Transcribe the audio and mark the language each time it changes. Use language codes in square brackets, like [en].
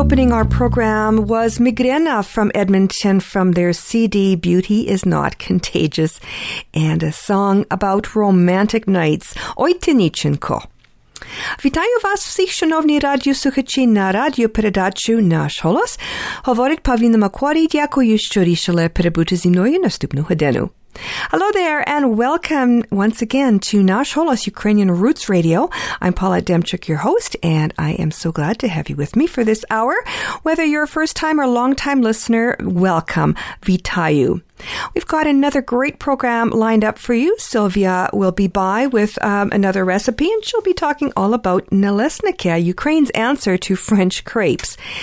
[en] Our program was Migrena from Edmonton from their CD Beauty is Not Contagious and a song about romantic nights. Oitinichinko. [uk] Вітаю вас всіх, шановні радіослухачі, на радіопередачу «Наш голос». Говорить Павіна Макварі, дякую, що рішили перебути зі мною наступну годину. [en] Hello there, and welcome once again to Nash Holos Ukrainian Roots Radio. I'm Paulette Demchuk, your host, and I am so glad to have you with me for this hour. Whether you're a first-time or long-time listener, welcome. [uk] Vitayu. [en] We've got another great program lined up for you. Sylvia will be by with another recipe, and she'll be talking all about Nalesnikaya, Ukraine's answer to French crepes.